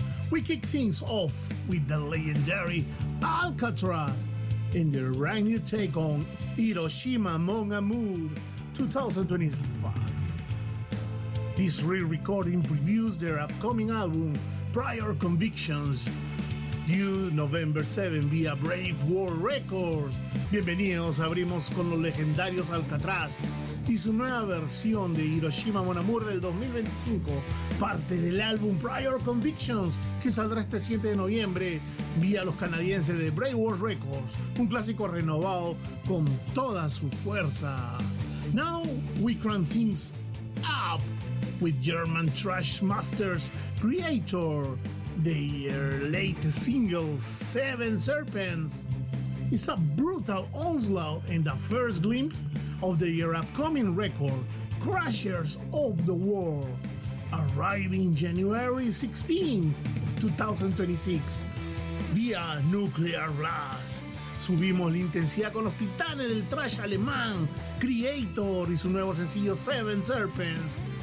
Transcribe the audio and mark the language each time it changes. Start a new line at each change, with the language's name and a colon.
English: We kick things off with the legendary Alcatraz in their brand new take on Hiroshima Mon Amour 2025. This re-recording previews their upcoming album, Prior Convictions, due November 7 via Brave World Records.
Spanish: Bienvenidos, abrimos con los legendarios Alcatraz y su nueva versión de Hiroshima Mon Amour del 2025, parte del álbum Prior Convictions, que saldrá este 7 de noviembre vía los canadienses de Brave World Records, un clásico renovado con toda su fuerza.
English: Now we crank things up with German Trash Masters Creator, their latest single, Seven Serpents. It's a brutal onslaught and the first glimpse of their upcoming record, Crushers of the World, arriving January 16, 2026, via Nuclear Blast.
Spanish: Subimos la intensidad con los titanes del trash alemán, Creator y su nuevo sencillo Seven Serpents.